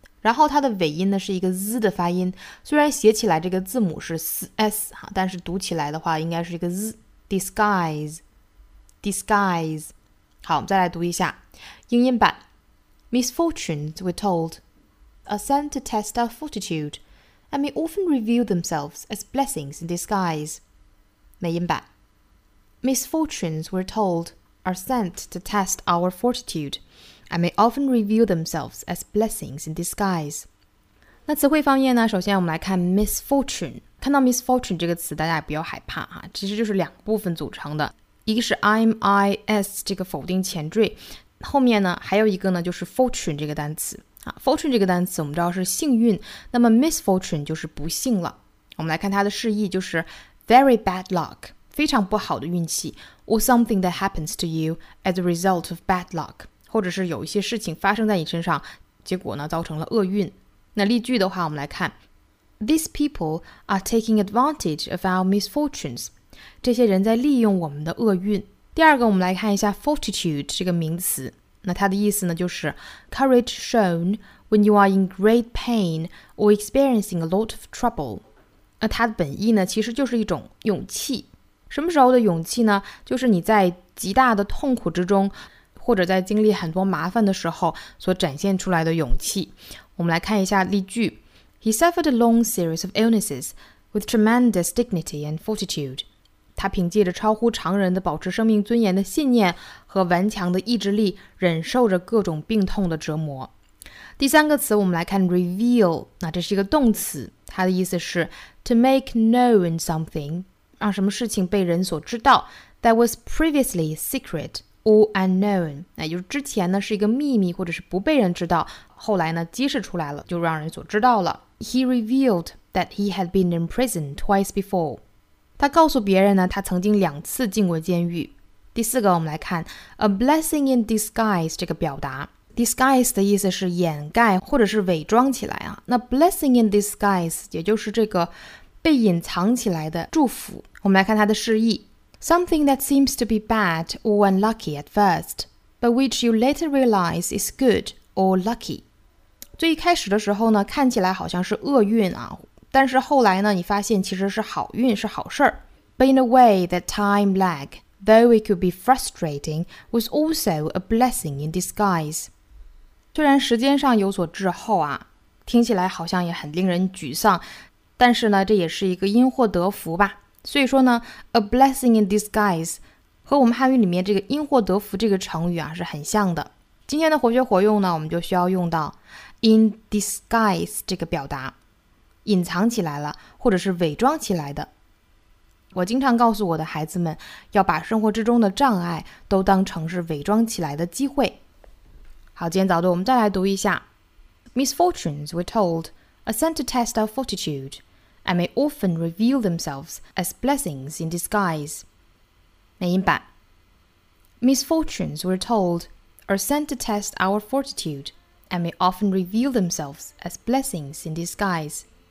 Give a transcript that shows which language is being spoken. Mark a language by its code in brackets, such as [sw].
[zh] 然后它的尾音呢是一个 z 的发音，虽然写起来这个字母是 s 哈，但是读起来的话应该是一个 z. [en] Disguise. [zh] 好，我们再来读一下英音版 [en] Misfortunes, we're told, are sent to test our fortitude and may often reveal themselves as blessings in disguise. [zh] 美音版 [en] Misfortunes, we're told, are sent to test our fortitude and may often reveal themselves as blessings in disguise. [zh] 那词汇方面呢，首先我们来看 misfortune, 看到 misfortune 这个词大家也不要害怕啊，其实就是两部分组成的，一个是 MIS 这个否定前缀，后面呢还有一个呢就是 fortune 这个单词啊。 fortune 这个单词我们知道是幸运，那么 misfortune 就是不幸了。我们来看它的释义，就是 [en] very bad luck [zh] 非常不好的运气 [en] or something that happens to you as a result of bad luck, [zh] 或者是有一些事情发生在你身上，结果呢造成了厄运。那例句的话，我们来看 [en] These people are taking advantage of our misfortunes. [zh] 这些人在利用我们的厄运。第二个，我们来看一下 fortitude 这个名词，那它的意思呢就是 [en] courage shown when you are in great pain or experiencing a lot of trouble。 [zh] 那它的本意呢其实就是一种勇气，什么时候的勇气呢？就是你在极大的痛苦之中，或者在经历很多麻烦的时候所展现出来的勇气。我们来看一下例句。 [en] He suffered a long series of illnesses with tremendous dignity and fortitude. [zh] 他凭借着超乎常人的保持生命尊严的信念和顽强的意志力，忍受着各种病痛的折磨。第三个词我们来看 reveal， 那这是一个动词，它的意思是 [en] to make known something， [zh] 让什么事情被人所知道。 [en] That was previously secret or unknown， [zh] 那就是之前呢是一个秘密或者是不被人知道，后来呢揭示出来了，就让人所知道了。 [en] He revealed that he had been in prison twice before， [zh] 他告诉别人呢他曾经两次进过监狱。第四个我们来看 a blessing in disguise， 这个表达Disguise 的意思是掩盖或者是伪装起来啊。那 blessing in disguise 也就是这个被隐藏起来的祝福。我们来看它的释义。 [en] Something that seems to be bad or unlucky at first, but which you later realize is good or lucky. [zh] 最一开始的时候呢，看起来好像是厄运啊，但是后来呢，你发现其实是好运，是好事儿。 [en] But in a way that time lag,Though it could be frustrating, was also a blessing in disguise. [zh] 虽然时间上有所滞后啊，听起来好像也很令人沮丧，但是呢，这也是一个因祸得福吧。所以说呢 ，a blessing in disguise 和我们汉语里面这个因祸得福这个成语啊是很像的。今天的活学活用呢，我们就需要用到 in disguise 这个表达，隐藏起来了，或者是伪装起来的。我经常告诉我的孩子们，要把生活之中的障碍都当成是伪装起来的机会。好，今天早读我们再来读一下。 [en] Misfortunes, we're told, are sent to test our fortitude, and may often reveal themselves as blessings in disguise. [zh] 美音版。 [en] Misfortunes, we're told, are sent to test our fortitude, and may often reveal themselves as blessings in disguise.